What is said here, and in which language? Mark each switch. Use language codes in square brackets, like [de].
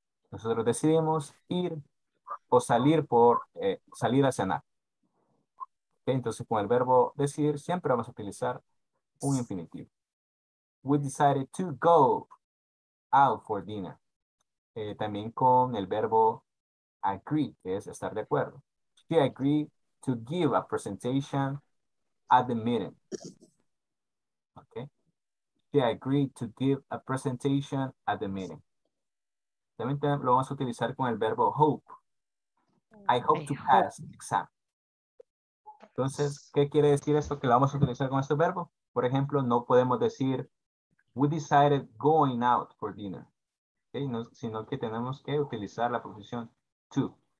[es] Nosotros decidimos ir o salir por, salir a cenar. Okay, entonces, con el verbo decidir, siempre vamos a utilizar un infinitivo. [en] We decided to go out for dinner. [es] También con el verbo agree, que es estar de acuerdo. [en] She agreed to give a presentation at the meeting. Okay. She agreed to give a presentation at the meeting. [es] También lo vamos a utilizar con el verbo hope. [en] I hope to pass the exam. [es] Entonces, ¿qué quiere decir esto? Que lo vamos a utilizar con este verbo. Por ejemplo, no podemos decir [en] we decided going out for dinner. [es] Okay, no, sino que tenemos que utilizar la preposición to.